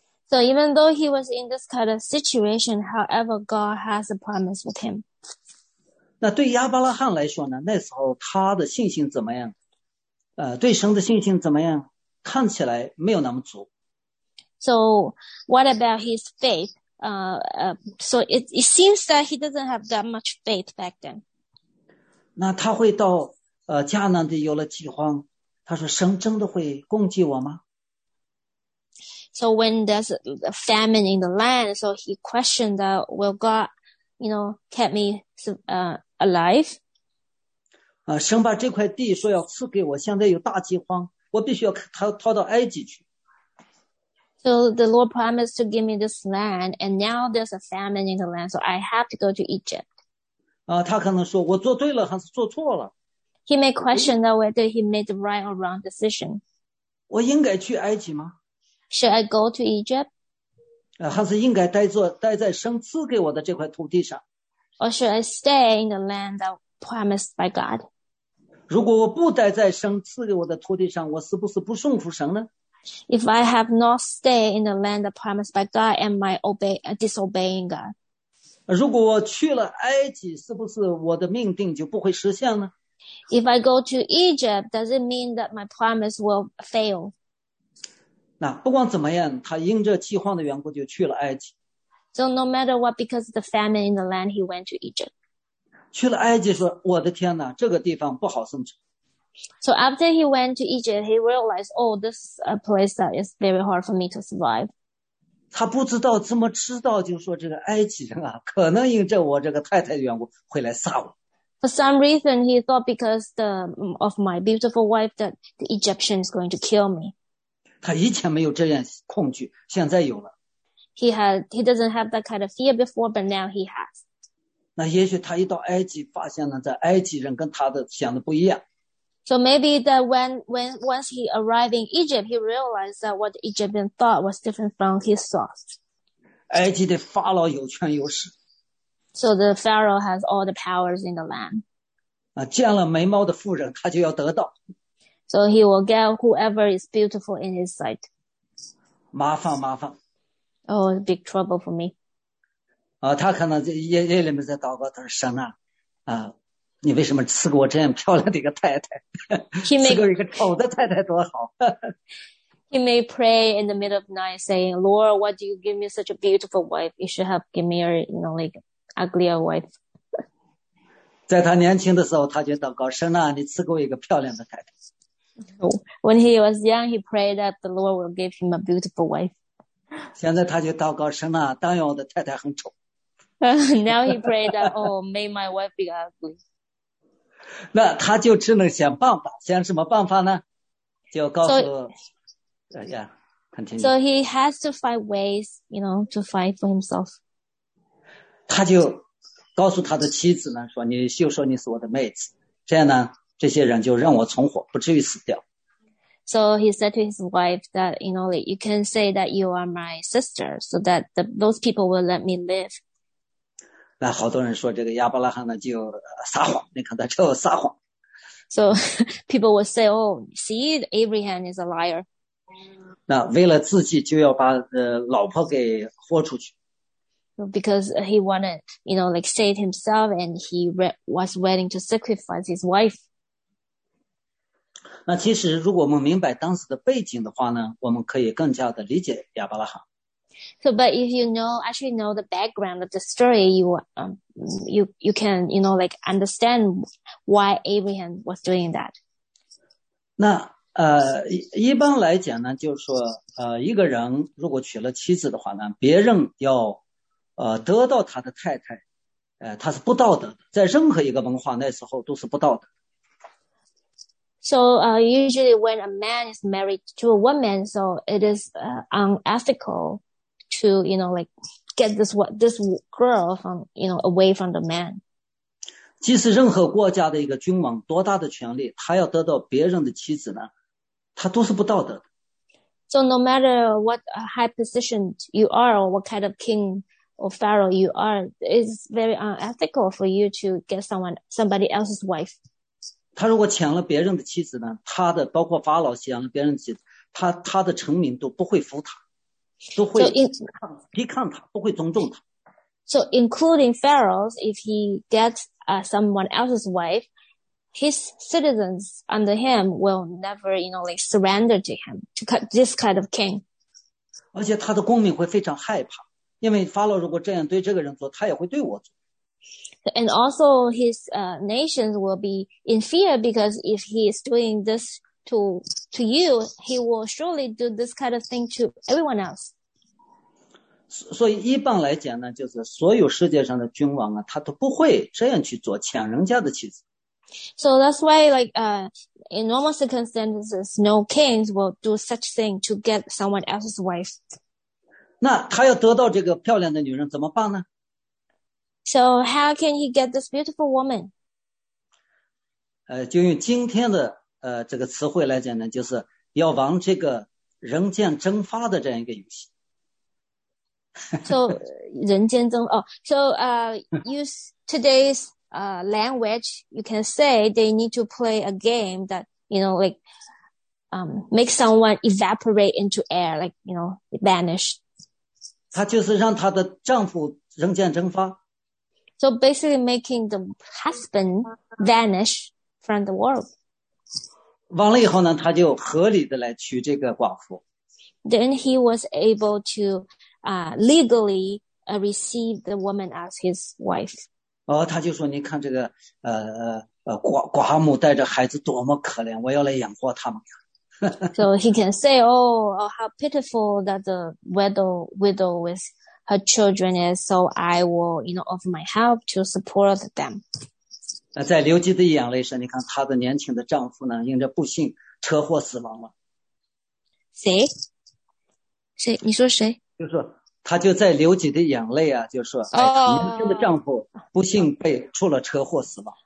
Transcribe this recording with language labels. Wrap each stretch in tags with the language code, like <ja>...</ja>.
<en>So even though he was in this kind of situation, however, God has a promise with him.</en> <zh>那对亚伯拉罕来说呢，那时候他的信心怎么样？对神的信心怎么样？看起来没有那么足。</zh> <en>So what about his faith? So it seems that he doesn't have that much faith back then.</en> <zh>那他会到迦南地有了饥荒，他说：“神真的会供给我吗？”</zh> <en>So when there's a famine in the land, so he questioned that, "Will God, you know, keep me alive?"</en> <zh>神把这块地说要赐给我，现在有大饥荒，我必须要逃到埃及去。</zh> <en>So the Lord promised to give me this land, and now there's a famine in the land, so I have to go to Egypt.</en> <zh>他可能说我做对了还是做错了。</zh> <en>He may question that whether he made the right or wrong decision.</en> <zh>我应该去埃及吗？</zh> <en>Should I go to Egypt?</en> <zh>还是应该待在神赐给我的这块土地上？</zh> <en>Or should I stay in the land that promised by God?</en> <zh>如果我不待在神赐给我的土地上，我是不是不顺服神呢？</zh> <en>If I have not stayed in the land promised by God, am I disobeying God?</en> <zh>如果我去了埃及，是不是我的命定就不会实现呢？</zh> <en>If I go to Egypt, does it mean that my promise will fail?</en> <zh>那不管怎么样，他因着饥荒的缘故就去了埃及。</zh> <en>So no matter what, because of the famine in the land, he went to Egypt.</en> <zh>去了埃及说，我的天哪，这个地方不好生存。</zh> <en>So after he went to Egypt, he realized, oh, this place that is very hard for me to survive.</en> <zh>他不知道怎么知道，就说这个埃及人啊，可能因着我这个太太的缘故会来杀我。</zh> <en>For some reason, he thought because of my beautiful wife that the Egyptian is going to kill me.</en> <zh>他以前没有这样恐惧，现在有了。</zh> <en>He doesn't have that kind of fear before, but now he has.</en> <zh>那也许他一到埃及，发现了在埃及人跟他的想的不一样。</zh> <en>So maybe that when once he arrived in Egypt, he realized that what the Egyptian thought was different from his thoughts.</en> <zh>埃及的法老有权有势。</zh> <en>So the pharaoh has all the powers in the land.</en> <zh>见了美貌的妇人，他就要得到。</zh> <en>So he will get whoever is beautiful in his sight.</en> <zh>麻烦麻烦。</zh> <en>Oh, big trouble for me.</en> <zh>他可能夜里面在祷告，他说：“神啊，你为什么赐给我这样漂亮的一个太太？赐给我一个丑的太太多好。</zh> <en>”He may pray in the middle of night, saying, "Lord, why do you give me such a beautiful wife? You should have given me a, you know, like uglier wife."</en> <zh>在他年轻的时候，他就祷告神啊，你赐给我一个漂亮的太太。</zh> <en>When he was young, he prayed that the Lord will give him a beautiful wife.</en> <zh>现在他就祷告神啊，但愿我的太太很丑。</zh> <en>Now he prayed that, "Oh, may my wife be ugly."</en> <zh>那他就只能想办法，想什么办法呢？就告诉</zh> <en>continue. So he has to find ways, you know, to fight for himself.</en> <zh>他就告诉他的妻子呢，说你就说你是我的妹子，这样呢，这些人就让我存活，不至于死掉。</zh> <en>So he said to his wife that, you know, you can say that you are my sister, so that those people will let me live.</en> <zh>那好多人说这个亚伯拉罕呢就撒谎，你看他就撒谎。</zh> <en>So people would say, "Oh, see, Abraham is a liar."</en> <zh>那为了自己就要把老婆给豁出去。</zh> <en>Because he wanted, you know, like save himself, and he was willing to sacrifice his wife.</en> <zh>那其实如果我们明白当时的背景的话呢，我们可以更加的理解亚伯拉罕。</zh> <en>So, but if you actually know the background of the story, you can, you know, like understand why Abraham was doing that.</en> <zh>那一般来讲呢，就是说，一个人如果娶了妻子的话呢，别人要，得到他的太太，他是不道德的，在任何一个文化那时候都是不道德。</zh> <en>So, usually when a man is married to a woman, so it is, unethical to, you know, like get this, what, this girl from, you know, away from the man.</en> <zh>即使任何国家的一个君王多大的权力，他要得到别人的妻子呢，他都是不道德的。</zh> <en>So no matter what high position you are or what kind of king or pharaoh you are, it's very unethical for you to get somebody else's wife.</en> <zh>他如果抢了别人的妻子呢，他的包括法老抢了别人的妻子，他的臣民都不会服他，都会抵抗他，不会尊重他。</zh> <en>So including pharaohs, if he gets someone else's wife, his citizens under him will never, you know, like surrender to him, to this kind of king.</en> <zh>而且他的公民会非常害怕，因为法老如果这样对这个人做，他也会对我做。</zh> <en>And also his nations will be in fear because if he is doing this to you, he will surely do this kind of thing to everyone else.</en> <zh>所以一般来讲呢，就是所有世界上的君王啊，他都不会这样去做，抢人家的妻子。</zh> <en>So that's why, like, in normal circumstances, no kings will do such thing to get someone else's wife.</en> <zh>那他要得到这个漂亮的女人怎么办呢？</zh> <en>So how can he get this beautiful woman?</en> <zh>就用今天的这个词汇来讲呢，就是要玩这个人间蒸发的这样一个游戏。</zh> <en>So</en> <zh>人间蒸哦、</zh> <en>oh,，So use today's language, you can say they need to play a game that you know like make someone evaporate into air, like you know vanish.</en> <zh>她就是让她的丈夫人间蒸发。</zh> <en>So basically making the husband vanish from the world.</en> <zh>完了以后呢，他就合理的来娶这个寡妇。</zh> <en>Then he was able to legally receive the woman as his wife.</en> <zh>哦，他就说，你看这个寡母带着孩子多么可怜，我要来养活他们。</zh> <en>So he can say, oh, how pitiful that the widow with her children is, so I will, you know, offer my help to support them.</en> <zh>在刘基的眼泪时，你看他的年轻的丈夫呢，因着不幸车祸死亡了。谁？你说谁？就是他就在刘己的眼泪啊，就是说、年轻的丈夫不幸被出了车祸死亡。</zh>